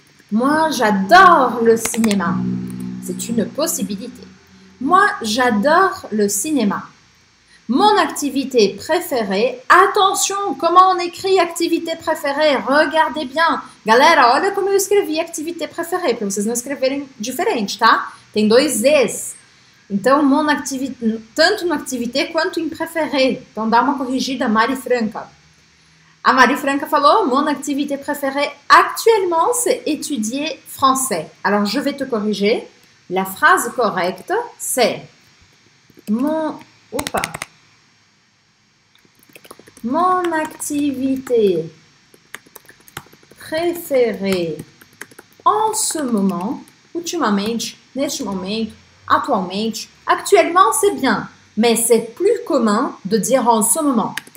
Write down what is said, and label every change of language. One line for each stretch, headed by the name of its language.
French: Moi, j'adore le cinéma. C'est une possibilité. Moi, j'adore le cinéma. Mon activité préférée. Attention, comment on écrit activité préférée? Regardez bien.
Portuguese: Galera, olha como eu escrevi activité préférée. Pour vocês não escreverem diferente, tá? Tem dois S. Então, mon activité, tanto uma activité quanto une préférée. Então, dá uma corrigida, Mari Franca. A Mari Franca falou,
French: mon activité préférée actuellement, c'est étudier français. Alors, je vais te corriger. La phrase correcte, c'est mon activité préférée en ce moment,
Portuguese: ultimamente, neste momento,
French: actuellement, actuellement c'est bien, mais c'est plus commun de dire en ce moment.